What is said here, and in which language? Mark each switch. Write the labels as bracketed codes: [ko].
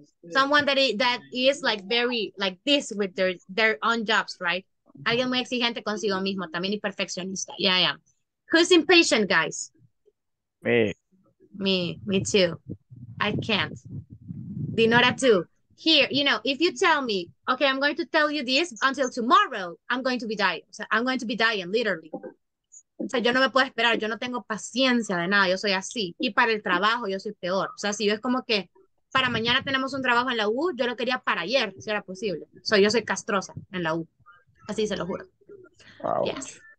[en] Someone that is like very, like this with their own jobs, right? [es] Alguien muy exigente consigo mismo, también y perfeccionista. [en] Yeah, I am. Who's impatient, guys? Me. Me too. I can't. Dinora too. Here, you know, if you tell me, okay, I'm going to tell you this until tomorrow, I'm going to be dying. So I'm going to be dying, literally. [es] O sea, yo no me puedo esperar, yo no tengo paciencia de nada, yo soy así. Y para el trabajo yo soy peor. O sea, si yo es como que para mañana tenemos un trabajo en la U, yo lo quería para ayer, si era posible. O sea, yo soy castrosa en la U. Así se lo juro. [en] Wow. Yes.